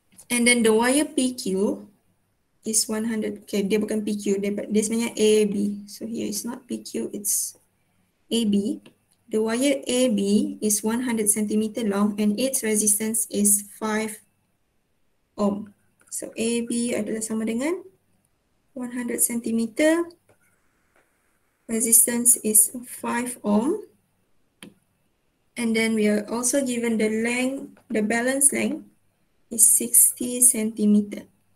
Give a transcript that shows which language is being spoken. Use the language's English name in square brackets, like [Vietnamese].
[English] And then the wire PQ is 100. Okay, [Malay] dia bukan PQ, dia sebenarnya AB. [English] So here it's not PQ, it's AB. The wire AB is 100 centimeter long and its resistance is 5 ohm. [Malay] So AB adalah sama dengan 100 centimeter. [English] Resistance is 5 ohm. And then we are also given the length, the balance length is 60 centimeter.